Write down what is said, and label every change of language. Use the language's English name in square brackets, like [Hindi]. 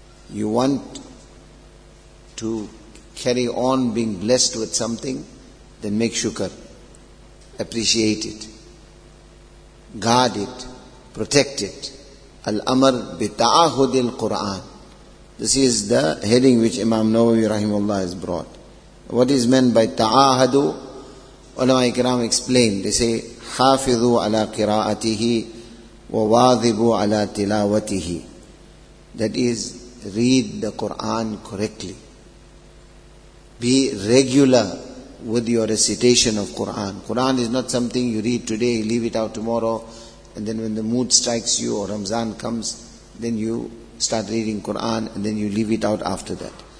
[English] You want to carry on being blessed with something, then make shukr, appreciate it, guard it, protect it. Al amr bi ta'ahudil Quran. This is the heading which Imam Nawawi rahimahullah has brought. What is meant by ta'ahadu? Ulama ikram explain. They say, [Arabic] حافظوا على قراءته وواظبوا على تلاوته. [English] That is, read the Quran correctly. Be regular with your recitation of Quran. Quran is not something you read today, leave it out tomorrow, and then when the mood strikes you or Ramzan comes, then you start reading Quran and then you leave it out after that.